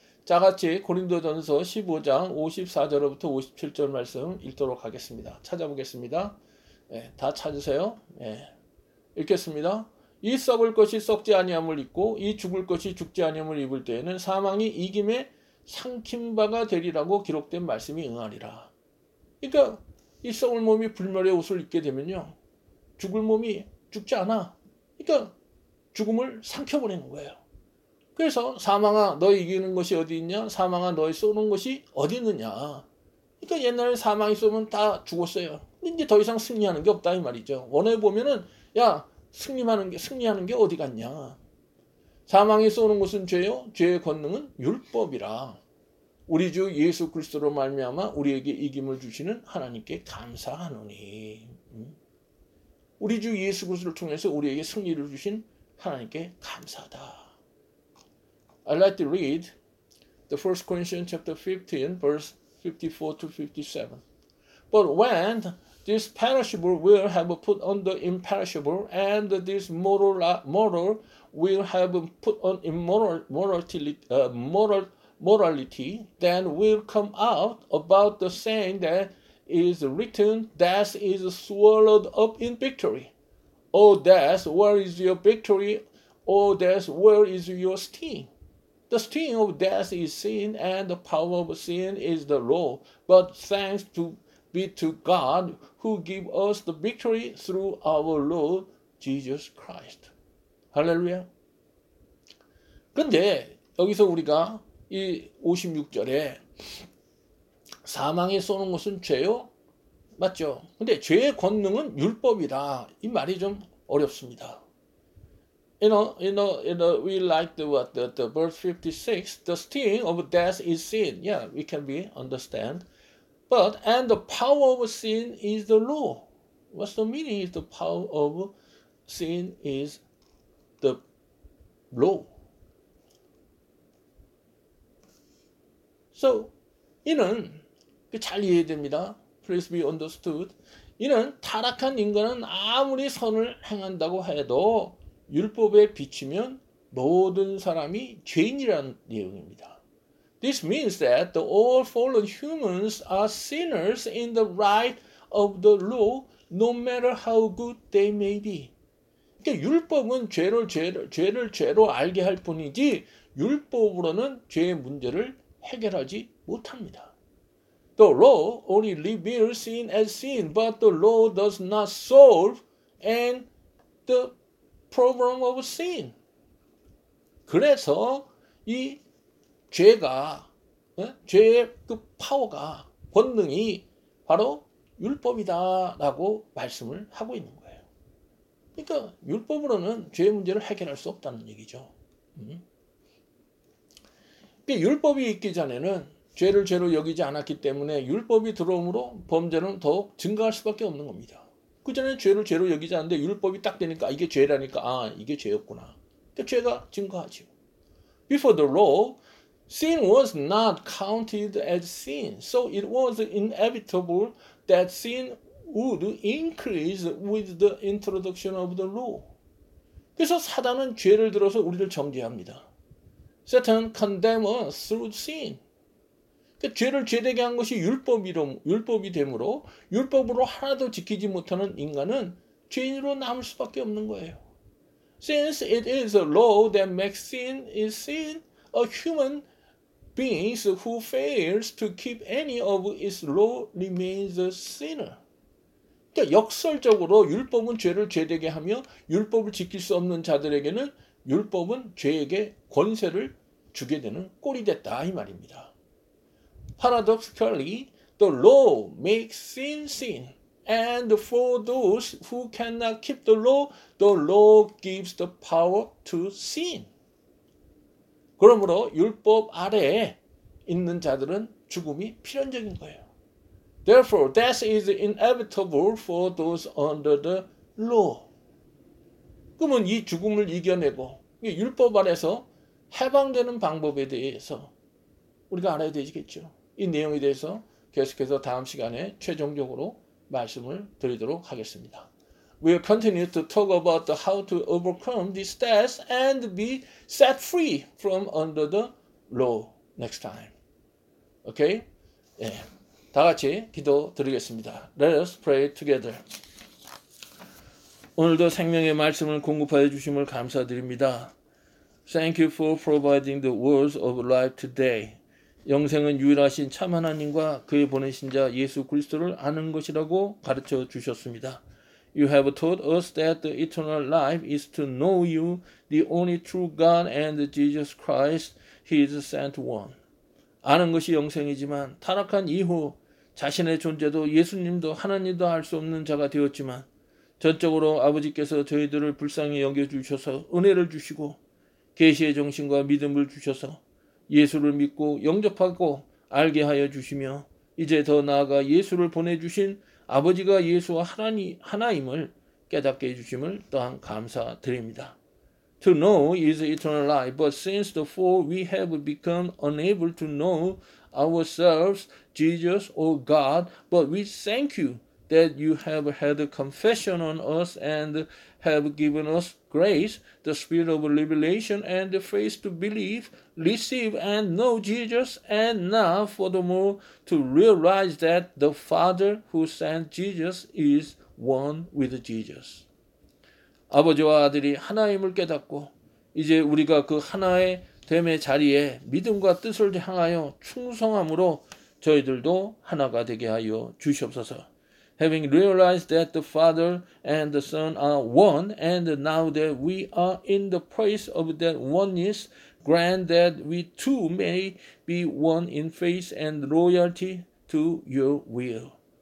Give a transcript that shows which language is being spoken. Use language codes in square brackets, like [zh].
[ko] 자, 같이 고린도전서 15장 54절부터 57절 말씀 읽도록 하겠습니다. 찾아보겠습니다. 네, 다 찾으세요. 네, 읽겠습니다. 이 썩을 것이 썩지 아니함을 입고 이 죽을 것이 죽지 아니함을 입을 때에는 사망이 이김에 삼킨 바가 되리라고 기록된 말씀이 응하리라. 그러니까 이 썩을 몸이 불멸의 옷을 입게 되면요. 죽을 몸이 죽지 않아. 그러니까 죽음을 삼켜버리는 거예요. 그래서 사망아 너 이기는 것이 어디 있냐? 사망아 너의 쏘는 것이 어디 있느냐? 그러니까 옛날에 사망이 있으면 다 죽었어요. 이제 더 이상 승리하는 게 없다 이 말이죠. 원해 보면은 야 승리하는 게 어디 갔냐? 사망이 쏘는 것은 죄요. 죄의 권능은 율법이라. 우리 주 예수 그리스도로 말미암아 우리에게 이김을 주시는 하나님께 감사하노니. 우리 주 예수 그리스도를 통해서 우리에게 승리를 주신 하나님께 감사하다. [en] I'd like to read the First Corinthians chapter 15, verse 54 to 57. But when this perishable will have put on the imperishable, and this mortal will have put on immortality, then will come out about the saying that is written, death is swallowed up in victory. O death, where is your victory? O death, where is your sting? The sting of death is sin, and the power of sin is the law. But thanks be to God, who give us the victory through our Lord Jesus Christ. Hallelujah. [ko] 근데 여기서 우리가 이 56절에 사망에 쏘는 것은 죄요? 맞죠? 근데 죄의 권능은 율법이다. 이 말이 좀 어렵습니다. [en] You know, we like the verse 56. The sting of death is sin. Yeah, we can be understand. But, and the power of sin is the law. What's the meaning? Is the power of sin is the law. [ko] So, 이는 잘 이해됩니다. [en] Please be understood. [ko] 이는 타락한 인간은 아무리 선을 행한다고 해도 율법에 비치면 모든 사람이 죄인이라는 내용입니다. [en] This means that the all fallen humans are sinners in the right of the law, no matter how good they may be. [ko] 그러니까 율법은 죄를 죄로 알게 할 뿐이지 율법으로는 죄의 문제를 해결하지 못합니다. [en] The law only reveals sin as sin, but the law does not solve and the problem of sin. [ko] 그래서 이 죄가 죄의 그 파워가 권능이 바로 율법이다라고 말씀을 하고 있는 거예요. 그러니까 율법으로는 죄의 문제를 해결할 수 없다는 얘기죠. 그러니까 율법이 있기 전에는 죄를 죄로 여기지 않았기 때문에 율법이 들어옴으로 범죄는 더욱 증가할 수밖에 없는 겁니다. 그 전에 죄를 죄로 여기지 않는데 율법이 딱 되니까 이게 죄라니까 아 이게 죄였구나. 그러니까 죄가 증가하죠. [en] Before the law, sin was not counted as sin. So it was inevitable that sin would increase with the introduction of the law. [ko] 그래서 사단은 죄를 들어서 우리를 정죄합니다. [en] Satan condemned us through sin. [ko] 그러니까 죄를 죄되게 한 것이 율법이 되므로 율법으로 하나도 지키지 못하는 인간은 죄인으로 남을 수밖에 없는 거예요. [en] Since it is a law that makes sin is sin, a human being who fails to keep any of its law remains a sinner. [ko] 그러니까 역설적으로 율법은 죄를 죄되게 하며 율법을 지킬 수 없는 자들에게는 율법은 죄에게 권세를 주게 되는 꼴이 됐다 이 말입니다. [en] Paradoxically, the law makes sin sin, and for those who cannot keep the law gives the power to sin. [ko] 그러므로 율법 아래에 있는 자들은 죽음이 필연적인 거예요. [en] Therefore, death is inevitable for those under the law. [ko] 그러면 이 죽음을 이겨내고 율법 아래서 해방되는 방법에 대해서 우리가 알아야 되겠죠. 이 내용에 대해서 계속해서 다음 시간에 최종적으로 말씀을 드리도록 하겠습니다. [en] We will continue to talk about how to overcome this death and be set free from under the law next time. Okay? 예. [ko] 다 같이 기도 드리겠습니다. [en] Let us pray together. [ko] 오늘도 생명의 말씀을 공급하여 주심을 감사드립니다. [en] Thank you for providing the words of life today. [ko] 영생은 유일하신 참 하나님과 그의 보내신 자 예수 그리스도를 아는 것이라고 가르쳐 주셨습니다. [en] You have taught us that the eternal life is to know you, the only true God and Jesus Christ, His sent one. [ko] 아는 것이 영생이지만 타락한 이후 자신의 존재도 예수님도 하나님도 알 수 없는 자가 되었지만 전적으로 아버지께서 저희들을 불쌍히 여겨주셔서 은혜를 주시고 계시의 정신과 믿음을 주셔서 예수를 믿고 영접하고 알게 하여 주시며 이제 더 나아가 예수를 보내주신 아버지가 예수와 하나임을 깨닫게 해주심을 또한 감사드립니다. [en] To know is eternal life, but since the fall, we have become unable to know ourselves, Jesus, or God, but we thank you that you have had compassion on us and have given us grace, the spirit of revelation, and the faith to believe, receive, and know Jesus, and now, furthermore, to realize that the Father who sent Jesus is one with Jesus. [ko] 아버지와 아들이 하나임을 깨닫고 이제 우리가 그 하나의 됨의 자리에 믿음과 뜻을 향하여 충성함으로 저희들도 하나가 되게 하여 주시옵소서. [en] Having realized that the Father and the Son are one, and now that we are in the place of that oneness, grant that we too may be one in faith and loyalty to your will.